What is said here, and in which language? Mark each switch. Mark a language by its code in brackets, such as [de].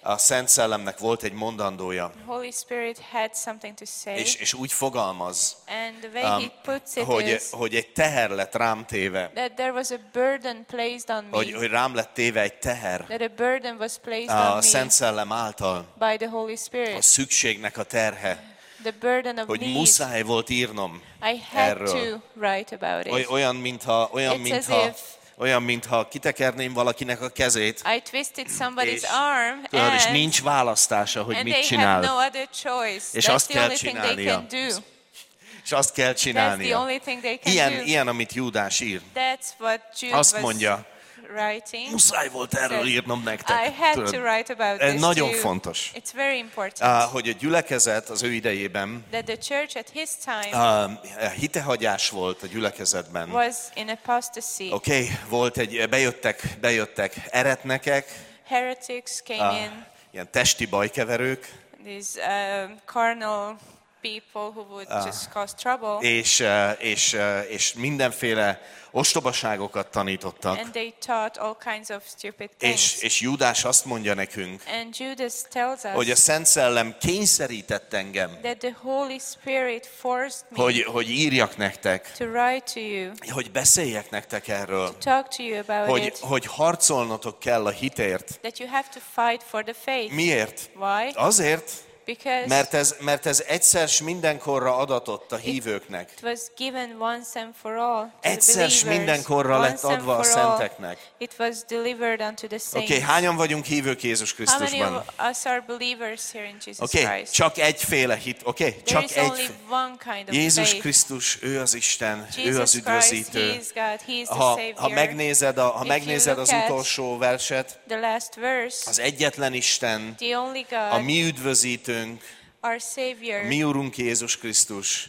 [hu] a Szent Szellemnek volt egy mondandója. [en] Holy Spirit had something to say. [hu] És úgy fogalmaz, [en] and the way he puts it [hu] hogy egy teher lett rám téve. [en] That there was a burden placed on me. [hu] Hogy rám lett téve egy teher. [en] That a burden was placed on me. [hu] A Szent Szellem által. [en] By the Holy Spirit. [hu] A szükségnek a terhe. [en] The burden of [hu] hogy [en] need. [hu] Muszáj volt írnom [en] I had [hu] erről. [en] To write about it. [hu] Olyan mintha kitekerném valakinek a kezét. [en] I twisted somebody's arm and [hu] tudod, és nincs választása, hogy [en] and [hu] mit [en] they [hu] csinál. [en] Have no other choice. [hu] És [en] that's [hu] azt kell csinálnia. És azt kell csinálnia. [en] That's the only thing they can [hu] ilyen, [en] do. [hu] Ilyen, amit Júdás ír. [en] That's what Jude [hu] azt mondja. [en] Writing, [hu] muszáj volt erről írnom nektek. [en] I had to write about this too. [hu] Nagyon fontos. [en] It's very important. [hu] Hogy a gyülekezet az ő idejében [en] that the church at his time [hu] hitehagyás volt a gyülekezetben. [en] Was in apostasy. [hu] Okay, volt egy bejöttek eretnekek. [en] Heretics came in. [hu] Ilyen testi bajkeverők. [en] These carnal people who would just cause trouble. [hu] És mindenféle ostobaságokat tanítottak. [en] And they taught all kinds of stupid things. [hu] És Júdás azt mondja nekünk, [en] and Judas tells us, [hu] hogy a Szent Szellem kényszerített engem, [en] that the Holy Spirit forced me, [hu] hogy írjak nektek, [en] to write to you, [hu] hogy beszéljek nektek erről, [en] to talk to you about [hu] hogy harcolnotok kell a hitért. [en] That you have to fight for the faith. [hu] Miért? [en] Why? [hu] Azért, mert ez egyszer s mindenkorra adatott a hívőknek. [en] It was given once and for all to the believers. [hu] Egyszer s mindenkorra lett adva a szenteknek. [en] It was delivered unto the saints. [hu] Okay, hányan vagyunk hívők Jézus Krisztusban? [en] How many of us are believers here in Jesus Christ? Okay, [hu] csak egyféle hit. Okay, csak egy. [en] There is only one kind of faith. [hu] Jézus Krisztus, ő az Isten, [en] Jesus [hu] ő az üdvözítő. [en] Christ, he is God, he is the Savior. [hu] Ha megnézed az utolsó verset, [en] the last verse, [hu] az egyetlen Isten, [en] the only God, [hu] a mi üdvözítő, [en] our Savior, [hu] mi Urunk Jézus Krisztus,